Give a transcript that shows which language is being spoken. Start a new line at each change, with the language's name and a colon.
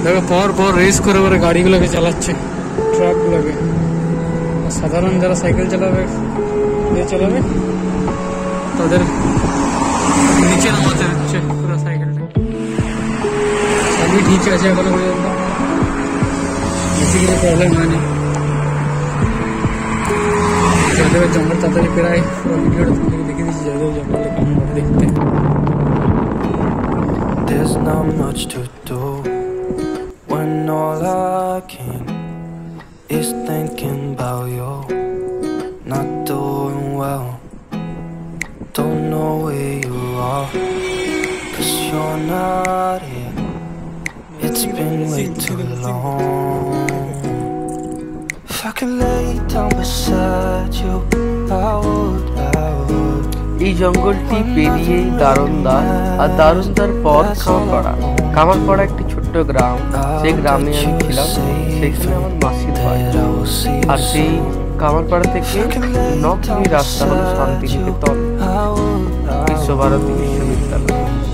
Bangla: পর পর রেস করে করে গাড়িগুলোকে চালাচ্ছে ট্রাকগুলোকে, সাধারণ যারা সাইকেল চালাবে চালাবে তাদের নিচে নামাতে হচ্ছে পুরো সাইকেলটা। সবই ঠিক আছে এখন, বেশি কিছু প্রবলেম হয়নি, যাদের জঙ্গল তাড়াতাড়ি পেরায় পুরো ভিডিওটা তোমাদেরকে দেখে দিচ্ছি, যাদের জঙ্গল দেখতে
English: There's not much to do when all I can is thinking about you, not doing well, don't know where you are, 'cause you're not here, it's been way too long. If I could lay down beside you, I would.
Bangla: এই জঙ্গলটি পেরিয়ে দারুন্দা, আর দারুন্দার পর খামারপাড়া। খামারপাড়া একটি ছোট্ট গ্রাম, যে গ্রামে আমি ছিলাম সেখানে আমার মাসি থাকে, আর সেই খামারপাড়া থেকে 9 কিমি রাস্তা হল শান্তিনিকেতন বিশ্বভারতী বিশ্ববিদ্যালয়।